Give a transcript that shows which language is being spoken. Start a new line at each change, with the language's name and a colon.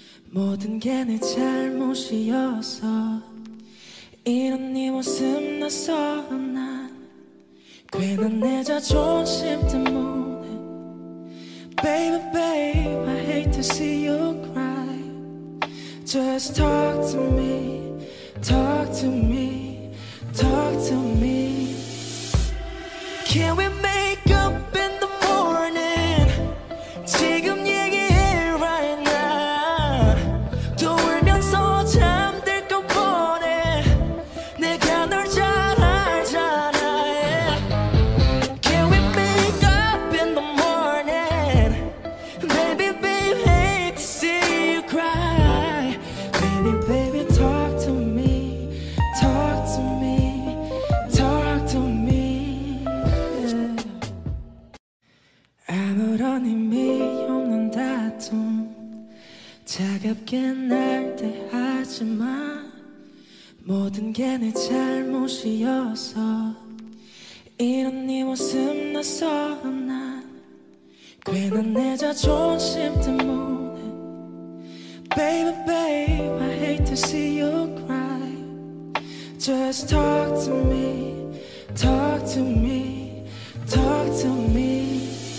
Korean: 모든 게내 잘못이어서 이런 네 모습 낯설어. 난 괜한 내 자존심 때문에
English: Baby baby I hate to see you cry. Just talk to me, talk to me, talk to me. Can we make up in the morning?
Korean: 지금 얘기해
English: right now.
Korean: 또 울면서 잠들 것 뻔해. 내가 널 잘 알잖아. Yeah.
English: Can we make up in the morning? Maybe baby hate to see you cry. Baby baby talk to me, talk to me, talk to me. Yeah.
Korean: 아무런 의미 없는 다툼 차갑게 날 때 하지마. 모든 게 내 잘못이어서 이런 네 모습 낯설어. 난 괜한 내 자존심 때문에
English: Baby babe I hate to see you cry. Just talk to me, talk to me, talk to me.